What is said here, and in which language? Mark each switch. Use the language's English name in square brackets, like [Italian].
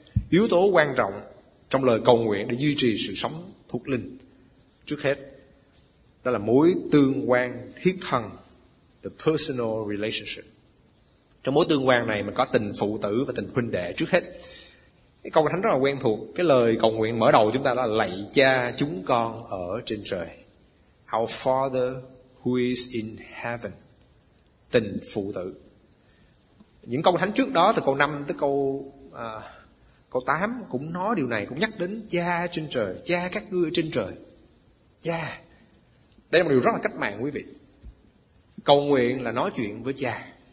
[Vietnamese] Yếu tố quan trọng trong lời cầu nguyện để duy trì sự sống thuộc linh, trước hết đó là mối tương quan thiết thân, [English] the personal relationship. [Vietnamese] Trong mối tương quan này mình có tình phụ tử và tình huynh đệ trước hết. Cái câu thánh rất là quen thuộc, cái lời cầu nguyện mở đầu chúng ta đó là lạy Cha chúng con ở trên trời. [English] Our Father who is in heaven. [Vietnamese] Tình phụ tử. Những câu thánh trước đó từ câu 5 tới câu 8 cũng nói điều này, cũng nhắc đến Cha trên trời, Cha các ngươi ở trên trời. Cha. Đây là một điều rất là cách mạng quý vị. Cầu nguyện là nói chuyện với Cha.